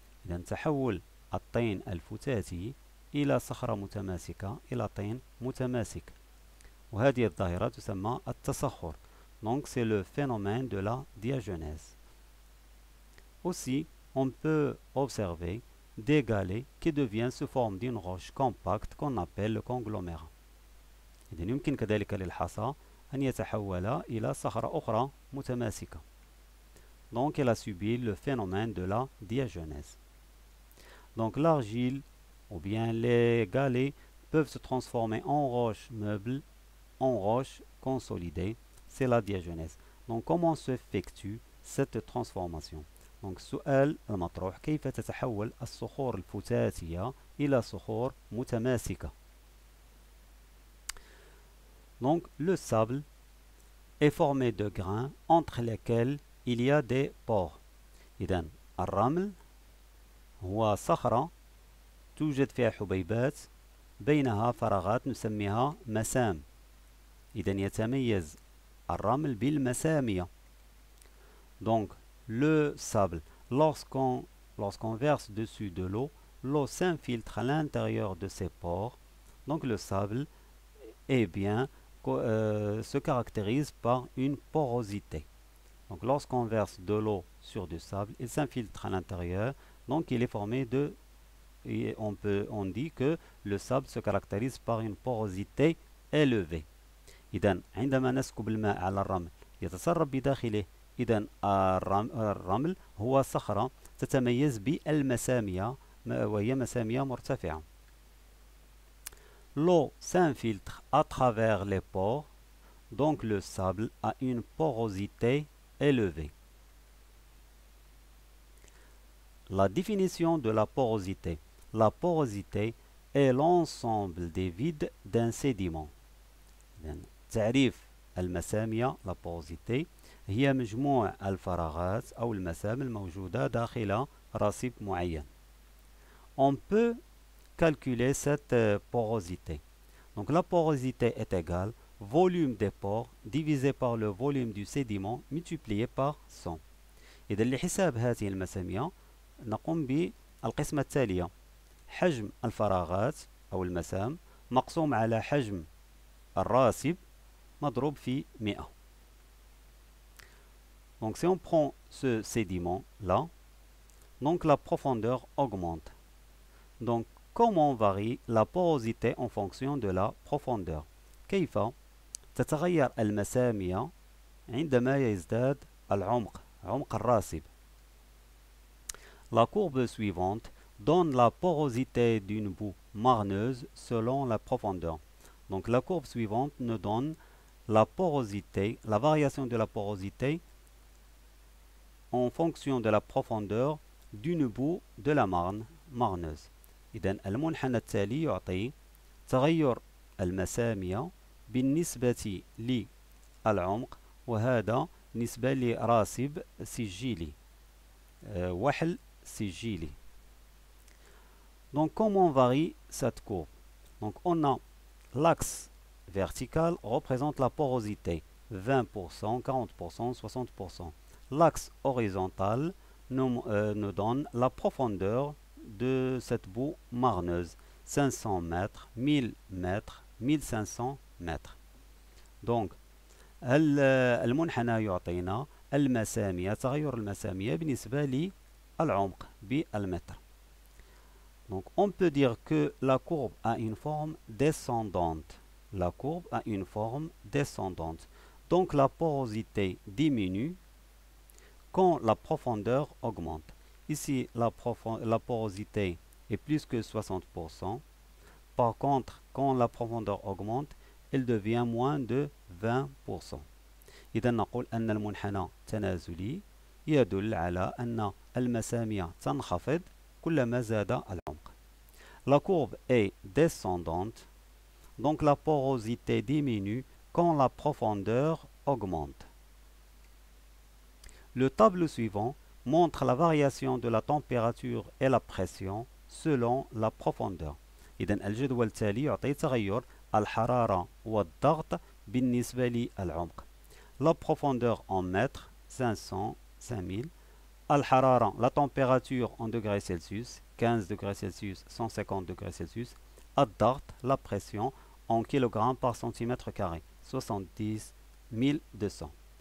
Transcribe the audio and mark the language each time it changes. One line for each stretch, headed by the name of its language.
Arabic: إذن تحول الطين الفتاتي إلى صخرة متماسكة إلى طين متماسك. وهذه الظاهرة تسمى التصخر.
French: Donc c'est le phénomène de la diagenèse. Aussi, on peut observer des galets qui deviennent sous forme d'une roche compacte qu'on appelle le conglomérat.
Arabic: إذن يمكن كذلك للحصى أن يتحول إلى صخرة أخرى متماسكة.
French: Donc, elle a subi le phénomène de la diagenèse. Donc, l'argile ou bien les galets peuvent se transformer en roche meuble, en roche consolidée. C'est la diagenèse. Donc, comment s'effectue cette transformation? Donc,
Arabic: سؤال المطروح كيف تتحول الصخور الفتاتية إلى صخور متماسكة?
French: Donc, le sable est formé de grains entre lesquels il y a des pores.
Arabic: إذن الرمل هو صخرة توجد فيها حبيبات بينها فراغات نسميها مسام. إذن يتميز الرمل بالمسامية.
French: Donc le sable, lorsqu'on verse dessus de l'eau, l'eau s'infiltre à l'intérieur de ses pores. Donc le sable eh bien se caractérise par une porosité. Donc, lorsqu'on verse de l'eau sur du sable, il s'infiltre à l'intérieur. Donc, il est formé de. Et on dit que le sable se caractérise par une porosité élevée.
Arabic: إذن عندما نسكب الماء على الرمل يتسرب بداخله. إذن الرمل هو صخرة تتميز بالمسامية وهي مسامية مرتفعة.
French: L'eau s'infiltre à travers les pores. Donc, le sable a une porosité élevé. La définition de la porosité. La porosité est l'ensemble des vides d'un sédiment.
Arabic: تعريف المسامية la porosité هي مجموع الفراغات أو المسام الموجودة داخل رصيف معين.
French: On peut calculer cette porosité. Donc la porosité est égale volume des pores divisé par le volume du sédiment multiplié par 100. Et dans le
Arabic: حساب هذه المسامية, نقوم بالقسمة التالية. حجم الفراغات أو المسام مقسوم على حجم الراسب مضروب في 100.
French: Donc si on prend ce sédiment là, donc la profondeur augmente. Donc comment varie la porosité en fonction de la profondeur?
Arabic: كيف تتغير المسامية عندما يزداد العمق عمق الراسب.
French: La courbe suivante donne la porosité d'une boue marneuse selon la profondeur. Donc la courbe suivante nous donne la porosité, la variation de la porosité en fonction de la profondeur d'une boue de la marne marneuse.
Arabic: إذن المنحنى التالي يعطي تغير المسامية بالنسبة للعمق وهذا نسبة لراسب سجيلي وحل سجيلي.
French: Donc comment varie cette courbe? Donc on a l'axe vertical représente la porosité 20%, 40%, 60%. L'axe horizontal nous donne la profondeur de cette boue marneuse 500 mètres, 1000 mètres, 1500 mètres. Donc,
Arabic: المنحنى يعطينا المسامية تغير المسامية بالنسبة للعمق بالمتر.
French: Donc, on peut dire que la courbe a une forme descendante. La courbe a une forme descendante. Donc, la porosité diminue quand la profondeur augmente. Ici, la porosité est plus que 60%. Par contre, quand la profondeur augmente, elle devient moins de 20%.
Arabic: إذن نقول أن المنحنى تنازلي يدل على أن المسامع تنخفض كلما زاد العمق.
French: La courbe est descendante, donc la porosité diminue quand la profondeur augmente. Le tableau suivant montre la variation de la température et la pression selon la profondeur. إذن الجدول التالي يعطي تغير الحرارة والضغط بالنسبة للعمق. La profondeur en mètres, 500, 5000.
Arabic: Al-harara,
French: la température en degrés Celsius, 15 degrés Celsius, 150 degrés Celsius.
Arabic: Ad-dart,
French: la pression en kilogrammes par centimètre carré, 70 200.